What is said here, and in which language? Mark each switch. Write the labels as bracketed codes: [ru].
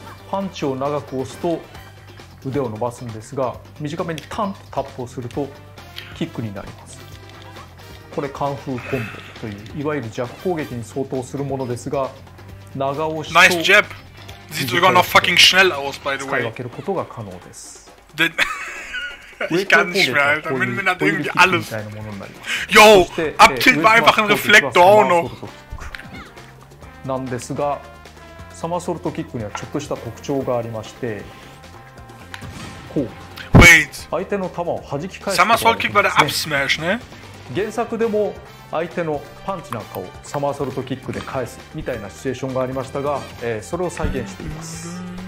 [ja] パンチを長く押すと腕を伸ばすんですが短めにタンとタップをするとキックになります。これカンフーコンボといういわゆる弱攻撃に相当するものですが長押しとナイスジャブ。 [de] Sieht sogar noch fucking schnell aus, [en] by the way. [ja] 使い分けることが可能です。 [de] ich kann nicht mehr, Alter. Wenn man hat irgendwie alles. Yo, up tilt war einfach ein Reflektor auch noch. [ja] なんですが、サマーソルトキックにはちょっとした特徴がありまして、こう。 [en] Wait. [ja] 相手の球を弾き返す。サマーソルトキックは up smash, ね。原作でも相手のパンチなんかをサマーソルトキックで返すみたいなシチュエーションがありましたが、それを再現しています。